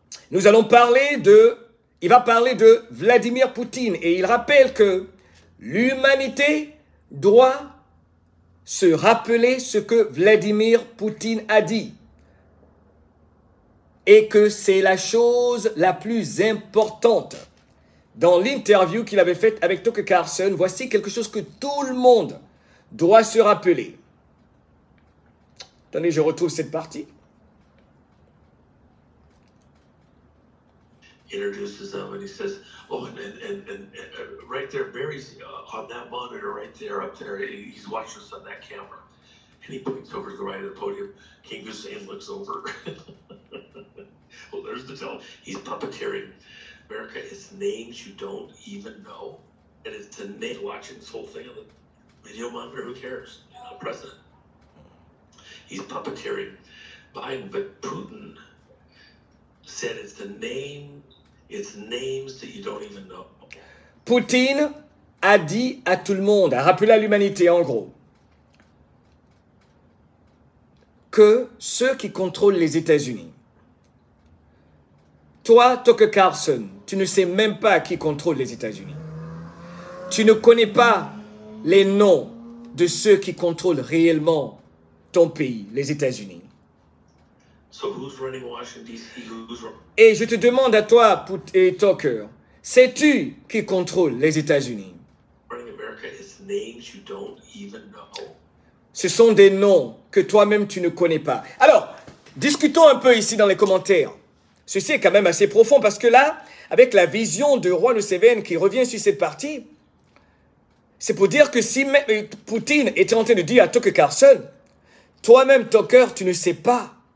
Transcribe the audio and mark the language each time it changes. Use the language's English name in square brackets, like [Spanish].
[French] Nous allons parler de... Il va parler de Vladimir Poutine et il rappelle que l'humanité doit se rappeler ce que Vladimir Poutine a dit et que c'est la chose la plus importante. Dans l'interview qu'il avait faite avec Tucker Carlson, voici quelque chose que tout le monde doit se rappeler. Attendez, je retrouve cette partie. [English] Introduces them and he says, oh, and right there, Barry's on that monitor right there up there. He's watching us on that camera. And he points over to the right of the podium. King Hussein looks over. Well, there's the tell. He's puppeteering. America, it's names you don't even know. And it's a name watching this whole thing on the video monitor. Who cares? You're not president. He's puppeteering Biden, but Putin said it's the name. It's names that you don't even know. [French] Poutine a dit à tout le monde, a rappelé à l'humanité en gros, que ceux qui contrôlent les États-Unis, toi, Tucker Carlson, tu ne sais même pas qui contrôle les États-Unis. Tu ne connais pas les noms de ceux qui contrôlent réellement ton pays, les États-Unis. [English] So who's running Washington DC? Who's [French] Et je te demande à toi, et Tucker, sais-tu qui contrôle les États-Unis? [English] Running America is names you don't even know. [French] Ce sont des noms que toi-même tu ne connais pas. Alors, discutons un peu ici dans les commentaires. Ceci est quand même assez profond parce que là, avec la vision de Roi Le Seven qui revient sur cette partie, c'est pour dire que si Poutine était en train de dire à Tucker Carlson, toi-même, Tucker, tu ne sais pas.